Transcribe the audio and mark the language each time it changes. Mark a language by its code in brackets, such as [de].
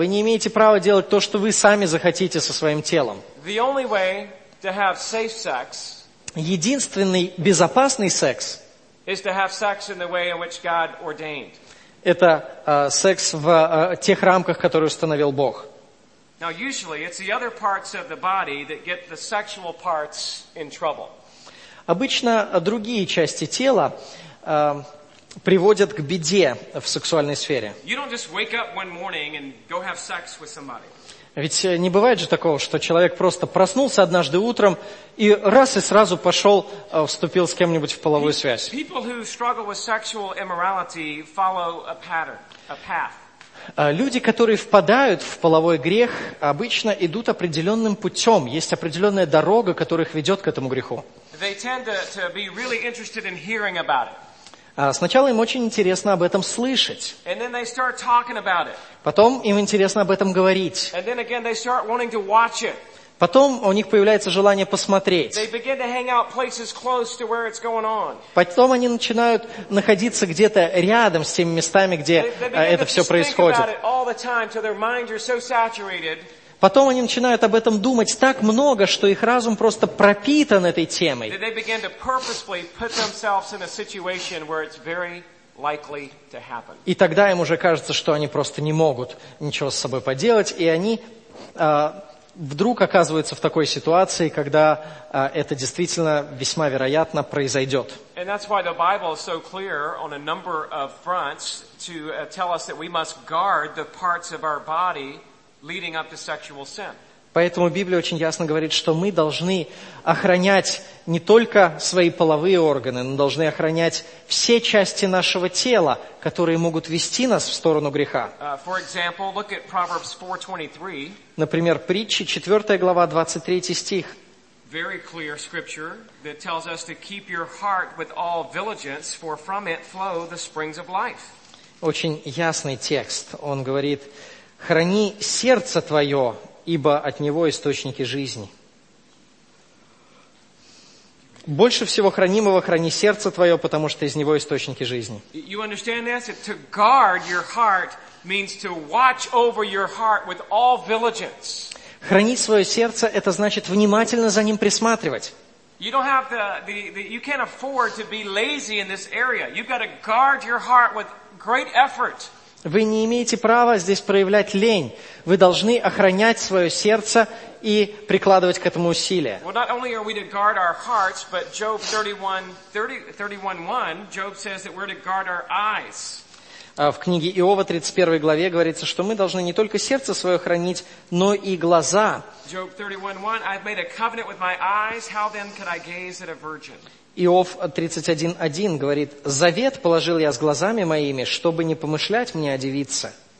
[ru] Вы не имеете права делать то, что вы сами захотите со своим телом. [en] The only way to have safe sex, [ru] единственный безопасный секс, [en] is to have sex in the way in which God ordained. [ru] Это секс в тех рамках, которые установил Бог. [en] Now, usually it's the other parts of the body that get the sexual parts in trouble. [ru] Обычно другие части тела приводят к беде в сексуальной сфере. [en] You don't just wake up one morning and go have sex with somebody. [ru] Ведь не бывает же такого, что человек просто проснулся однажды утром и раз и сразу пошел, вступил с кем-нибудь в половую связь. [en] People who struggle with sexual immorality follow a pattern, a path. [ru] Люди, которые впадают в половой грех, обычно идут определенным путем. Есть определенная дорога, которая их ведет к этому греху. [en] They tend to be really interested in hearing about it. [ru] Сначала им очень интересно об этом слышать. [en] And then they start talking about it. [ru] Потом им интересно об этом говорить. [en] And then again they start wanting to watch it. [ru] Потом у них появляется желание посмотреть. [en] They begin to hang out places close to where it's going on. [ru] Потом они начинают находиться где-то рядом с теми местами, где это все происходит. [en] They begin to think about it all the time till their minds are so saturated. [ru] Потом они начинают об этом думать так много, что их разум просто пропитан этой темой. [en] They begin to purposely put themselves in a situation where it's very likely to happen. [ru] И тогда им уже кажется, что они просто не могут ничего с собой поделать, и они вдруг оказываются в такой ситуации, когда это действительно весьма вероятно произойдет. [en] And that's why the Bible is so clear on a number of fronts to tell us that we must guard the parts of our body leading up to sexual sin. [ru] Поэтому Библия очень ясно говорит, что мы должны охранять не только свои половые органы, но должны охранять все части нашего тела, которые могут вести нас в сторону греха. [en] For example, look at Proverbs 4:23. [ru] Например, притчи, 4 глава, 23 стих. [en] Very clear scripture that tells us to keep your heart with all diligence, for from it flow the springs of life. [ru] Очень ясный текст. Он говорит: храни сердце твое, ибо от него источники жизни. Больше всего хранимого храни сердце твое, потому что из него источники жизни. [en] You understand this? To guard your heart means to watch over your heart with all diligence. [ru] Хранить свое сердце – это значит внимательно за ним присматривать. [en] You don't have you can't afford to be lazy in this area. You've got to guard your heart with great effort. [ru] Вы не имеете права здесь проявлять лень. Вы должны охранять свое сердце и прикладывать к этому усилия. [en] Well, not only are we to guard our hearts, but Job 31:1, Job says that we're to guard our eyes. [ru] В книге Иова, 31 главе, говорится, что мы должны не только сердце свое хранить, но и глаза. [en] Job 31:1, I've made a covenant with my eyes, how then can I gaze at a virgin? [ru] Иов 31:1 говорит: «Завет положил я с глазами моими, чтобы не помышлять мне о девице».